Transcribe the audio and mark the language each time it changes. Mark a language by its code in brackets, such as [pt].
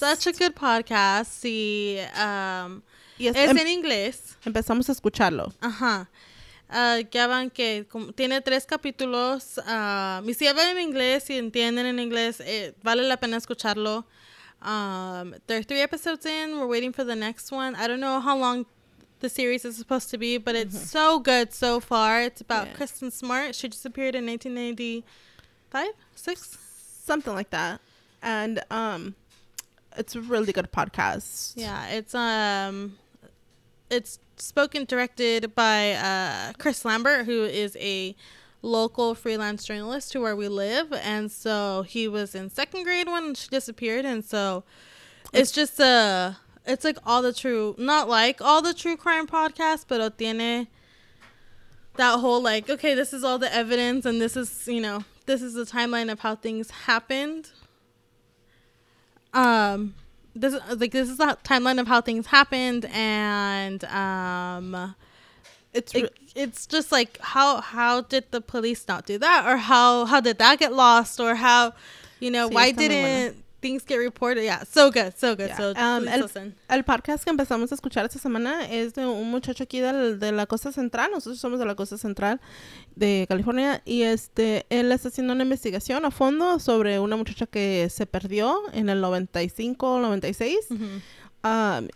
[en] Such a good podcast. [es] Sí. Es en inglés. Empezamos a escucharlo. Ajá. Ya van que tiene 3 capítulos. Y si hablan en inglés, si entienden en inglés, vale la pena escucharlo. [en] There are 3 episodes in. We're waiting for the next one. I don't know how long the series is supposed to be, but it's so good so far. It's about Kristen Smart. She disappeared in 1990. 5, 6, something like that, and it's a really good podcast. Yeah, it's spoken directed by Chris Lambert, who is a local freelance journalist to where we live, and so he was in second grade when she disappeared, and so it's just it's like all the true, not like all the true crime podcasts, [es] pero tiene [en] that whole like, okay, this is all the evidence, and this is, you know, this is the timeline of how things happened. This is the timeline of how things happened, and it's just like how did the police not do that, or how did that get lost, or how, you know, sí, why didn't things get reported? Yeah, so good, so good. Yeah. So [es] El podcast que empezamos a escuchar esta semana es de un muchacho aquí de la Costa Central. Nosotros somos de la Costa Central de California, y él está haciendo una investigación a fondo sobre una muchacha que se perdió en el 95 o 96. Mm-hmm.